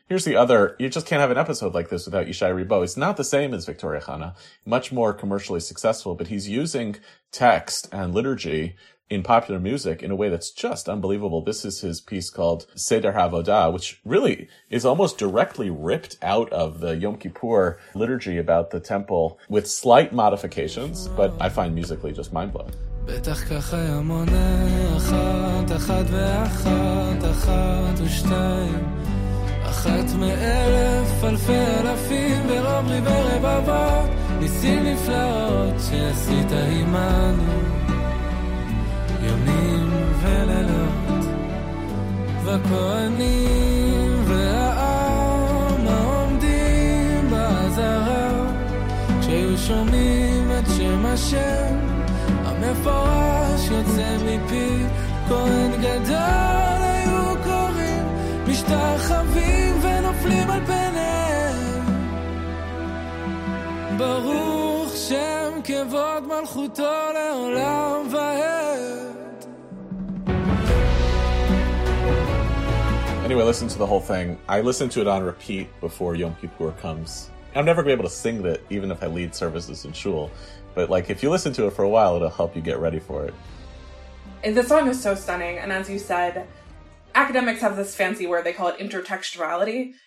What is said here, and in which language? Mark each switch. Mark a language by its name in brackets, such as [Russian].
[English] Here's the other, you just can't have an episode like this without Yishai Rebo. It's not the same as Victoria Hanna, much more commercially successful, but he's using text and liturgy in popular music in a way that's just unbelievable. This is his piece called Seder HaVodah, which really is almost directly ripped out of the Yom Kippur liturgy about the temple with slight modifications, but I find musically just mind-blowing. [Hebrew] בטח ככה ימונה אחת, אחת ואחת, אחת ושתיים אחת מאלף, אלפי אלפים ורוב ריבי רבבות ניסים נפלאות שעשית עמנו ימים ולילות וכהנים והעם העומדים בעזרה כשהיו שומעים את שם השם מפורש יוצא מפי כהן גדול היו קוראים משתחווים ונופלים על פניהם ברוך שם כבוד מלכותו לעולם ועד. [English] Anyway, listen to the whole thing. I listen to it on repeat before Yom Kippur comes. I'm never going to be able to sing that even if I lead services in shul. But like, if you listen to it for a while, it'll help you get ready for it. The song is so stunning. And as you said, academics have this fancy word. They call it intertextuality.